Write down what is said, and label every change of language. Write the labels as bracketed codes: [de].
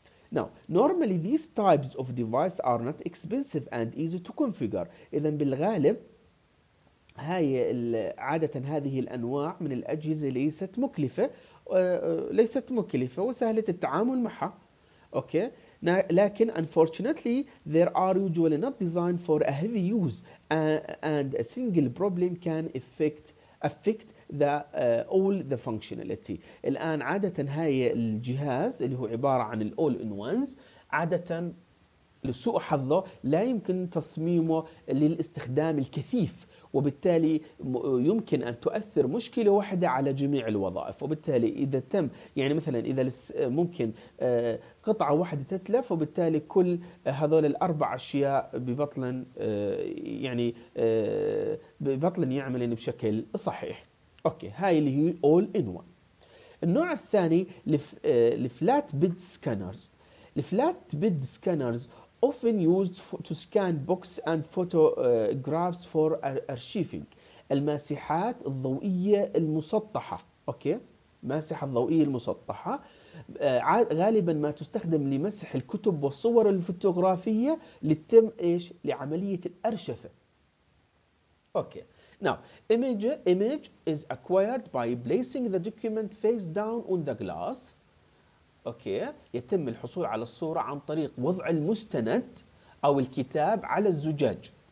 [en] Now, normally these types of devices are not expensive and easy to configure. [ar] إذن بالغالب هاي عادة هذه الأنواع من الأجهزة ليست مكلفة وسهلة التعامل معها. أوكي لكن [en] unfortunately there are usually not designed for a heavy use and a single problem can affect the all the functionality. [ar] الآن عادة هاي الجهاز اللي هو عبارة عن [en] all in ones [ar] عادة لسوء حظه لا يمكن تصميمه للاستخدام الكثيف، وبالتالي يمكن أن تؤثر مشكلة واحدة على جميع الوظائف، وبالتالي إذا تم يعني مثلا إذا ممكن قطعة واحدة تتلف، وبالتالي كل هذول الأربع أشياء ببطلن يعملن بشكل صحيح. أوكي هاي اللي هي all in one. النوع الثاني الفلات بيد سكانرز. [en] الفلات bed scanners often used to scan books and photographs for archiving. [ar] الماسحات الضوئية المسطحة، اوكي ماسحة الضوئية المسطحة غالبا ما تستخدم لمسح الكتب والصور الفوتوغرافية لتم ايش لعملية الأرشفة. [en] Okay now image is acquired by placing the document face down on the glass. [ar] اوكي، يتم الحصول على الصورة عن طريق وضع المستند أو الكتاب على الزجاج.